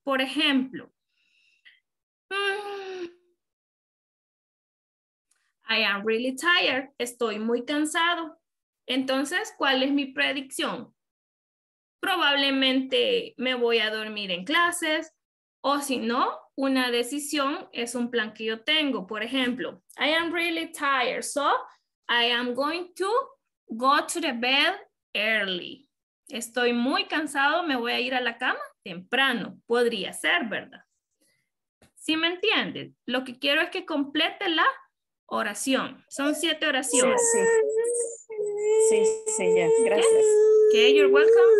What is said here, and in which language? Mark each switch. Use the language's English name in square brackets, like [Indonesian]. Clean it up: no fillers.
[Spanish] Por ejemplo, [English] I am really tired. [Spanish] Estoy muy cansado. Entonces, ¿cuál es mi predicción? Probablemente me voy a dormir en clases. O si no, una decisión es un plan que yo tengo. Por ejemplo, [English] I am really tired. So, I am going to go to the bed early. [Spanish] Estoy muy cansado. Me voy a ir a la cama temprano. Podría ser, ¿verdad? ¿Sí me entiendes? Lo que quiero es que complete la oración. Son 7 oraciones. Sí, sí. Sí, ya. Gracias. [English] Okay, you're welcome.